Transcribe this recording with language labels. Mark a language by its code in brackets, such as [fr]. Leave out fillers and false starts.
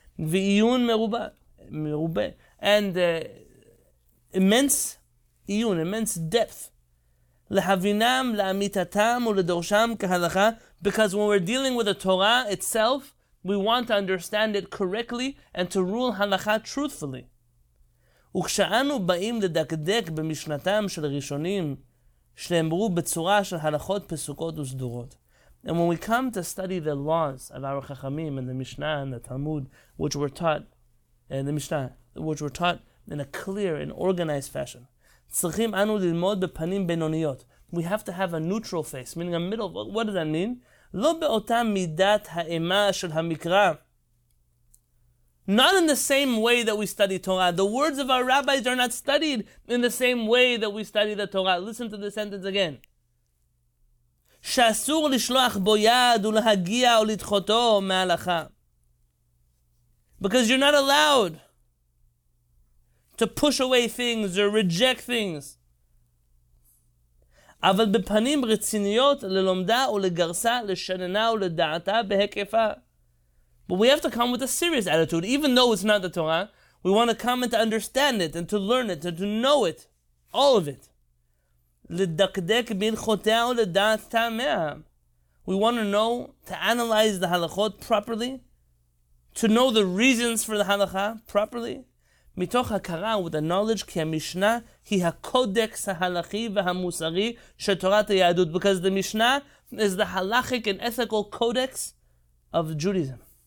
[he] Ve'iyun merube, [en] and immense iyun, immense depth. [he] Lehavinam la'amitatam u'ledorsham kehalacha, [en] because when we're dealing with the Torah itself, we want to understand it correctly and to rule halacha truthfully. [he] וכשאנו באים לדקדק במשנתם של ראשונים שנאמרו בצורה של הלכות פסוקות וסדורות. [en] And when we come to study the laws of our Chachamim and the Mishnah and the Talmud, which were taught in the Mishnah, which were taught in a clear and organized fashion, [he] צריכים אנו ללמוד בפנים בינוניות. [en] We have to have a neutral face, meaning a middle. What does that mean? [he] לא באותה מידת האימה של המקרא. [en] Not in the same way that we study Torah. The words of our rabbis are not studied in the same way that we study the Torah. Listen to the sentence again. [he] שאסור לשלוח בו יד ולהגיע או לדחותו מההלכה. [en] Because you're not allowed to push away things or reject things. [he] אבל בפנים רציניות ללומדה ולגרסה לשננה ולדעתה בהקפה. [en] But we have to come with a serious attitude, even though it's not the Torah. We want to come and to understand it, and to learn it, and to know it. All of it. [he] לדקדק בהלכותיה ולדעת טעמיה. [en] We want to know, to analyze the halachot properly. To know the reasons for the halacha properly. [he] מתוך הכרה, [en] with the knowledge, [he] כי המשנה היא הקודקס ההלכי והמוסרי של תורת היהדות. [en] Because the Mishnah is the halachic and ethical codex of Judaism.